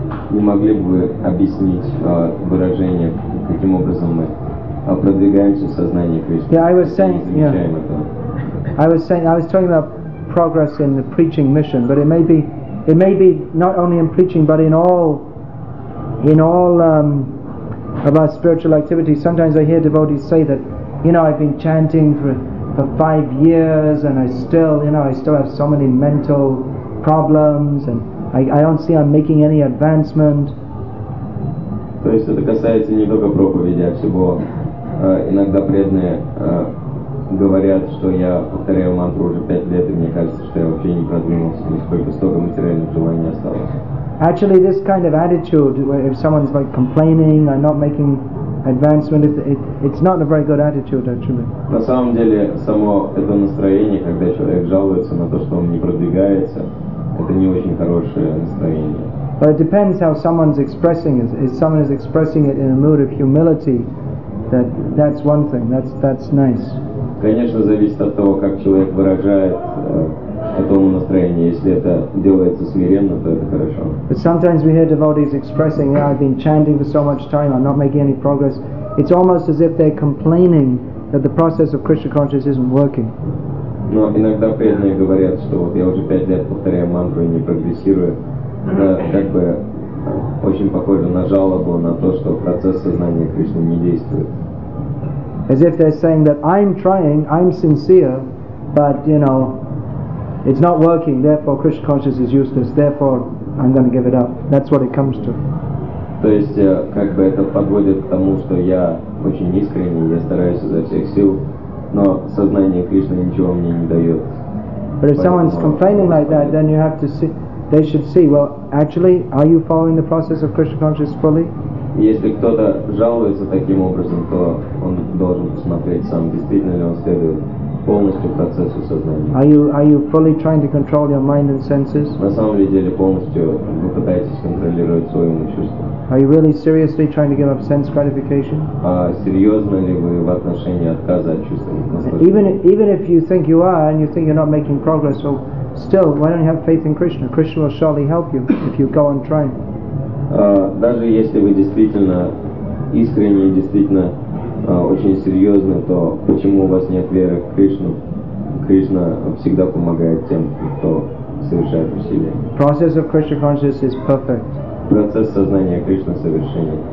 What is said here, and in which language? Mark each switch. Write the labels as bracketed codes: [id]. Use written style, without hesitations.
[ru] Не могли бы вы объяснить выражение, каким образом мы продвигаемся в сознании Кришны? [en] Yeah, I was talking about progress in the preaching mission, but it may be not only in preaching, but in all of our spiritual activities. Sometimes I hear devotees say that, you know, I've been chanting for 5 years, and I still have so many mental problems, and I don't see I'm making any advancement. [ru] То есть это касается не только проповеди, а всего. Иногда преданные говорят, что я повторяю мантру уже 5 лет, и мне кажется, что я вообще не продвинулся, нисколько, столько материальных желаний осталось. [en] Actually, this kind of attitude, if someone's like complaining, I'm not making advancement, it's not a very good attitude, actually. [ru] На самом деле, само это настроение, когда человек жалуется на то, что он не продвигается, это не очень хорошее настроение. [en] But it depends how someone's expressing it. If someone is expressing it in a mood of humility, that's one thing. That's nice. [ru] Конечно, зависит от того, как человек выражает этому настроение. Если это делается смиренно, то это хорошо. [en] But sometimes we hear devotees expressing, yeah, I've been chanting for so much time, I'm not making any progress. It's almost as if they're complaining that the process of Krishna consciousness isn't working. [ru] Но иногда преданные говорят, что вот я уже 5 лет повторяю мантру и не прогрессирую. Это как бы очень похоже на жалобу на то, что процесс сознания Кришны не действует. [en] As if they're saying that I'm trying, I'm sincere, but you know, it's not working, therefore Krishna consciousness is useless, therefore I'm going to give it up. That's what it comes to. [ru] То есть, как бы это подводит к тому, что я очень искренний, я стараюсь изо всех сил, но сознание Кришны ничего мне не дает. [en] But if someone's complaining like that, then you have to see, they should see, well, actually, are you following the process of Krishna consciousness fully? [ru] Если кто-то жалуется таким образом, то он должен смотреть сам, действительно ли он следует полностью процессу сознания. [en] Are you fully trying to control your mind and senses? [ru] На самом деле полностью вы пытаетесь контролировать свои умы и чувства. [en] Are you really seriously trying to give up sense gratification? [ru] А серьезно ли вы в отношении отказа от чувств? [en] Even if you think you are and you think you're not making progress, well, still, why don't you have faith in Krishna? Krishna will surely help you if you go on trying. [ru] Даже если вы действительно искренне и действительно очень серьезно, то почему у вас нет веры в Кришну? Кришна всегда помогает тем, кто совершает усилия. [en] Process of Krishna consciousness is perfect. [ru] Процесс сознания Кришны совершенен.